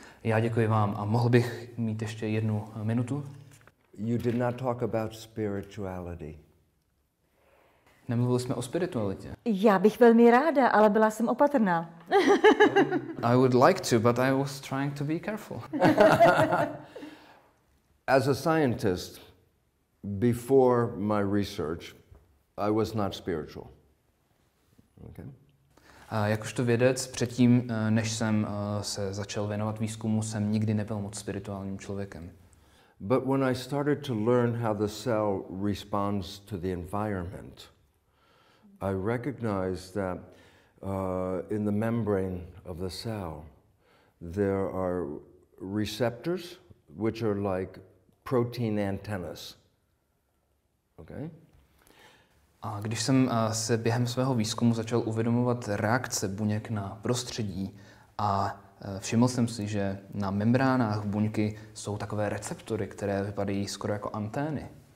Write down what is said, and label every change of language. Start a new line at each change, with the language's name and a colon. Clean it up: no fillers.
Czech: Já děkuji vám a mohl bych mít ještě jednu minutu?
English: You did not talk about spirituality.
Czech: Nemluvili jsme o spiritualitě. Já bych velmi ráda, ale byla jsem opatrná.
English: I would like to, but I was trying to be careful. As a scientist, before my research, I was not spiritual. Okay.
Czech: Jakožto vědec, předtím, než jsem se začal věnovat výzkumu, jsem nikdy nebyl moc spirituálním člověkem.
English: But when I started to learn how the cell responds to the environment, I recognized that in the membrane of the cell there are receptors which are like protein antennas. Okay?
Czech: A když jsem se během svého výzkumu začal uvědomovat reakce buněk na prostředí a všiml jsem si, že na membránách buňky jsou takové receptory, které vypadají skoro jako antény.